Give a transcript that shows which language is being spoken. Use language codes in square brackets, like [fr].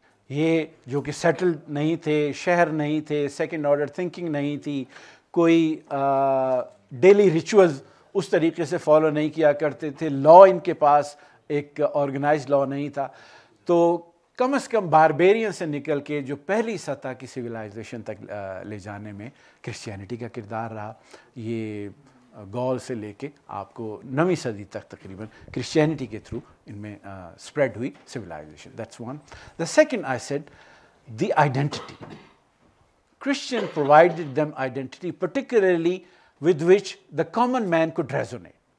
[ur] یہ جو کہ سیٹلڈ نہیں تھے, شہر نہیں تھے, سیکنڈ آرڈر تھنکنگ نہیں تھی, کوئی ڈیلی ریچولز اس طریقے سے فالو نہیں کیا کرتے تھے, لا ان کے پاس ایک آرگنائز لا نہیں تھا, تو کم از کم باربیرین سے نکل کے جو پہلی سطح کی سویلائزیشن تک لے جانے میں کرسچینٹی کا کردار رہا. یہ گول سے لے کے آپ کو 9th century تک تقریباً کرسچینٹی کے تھرو ان میں اسپریڈ ہوئی civilisation. [en] That's one. The second I said the identity. Christian provided them identity, particularly with which the common man could resonate.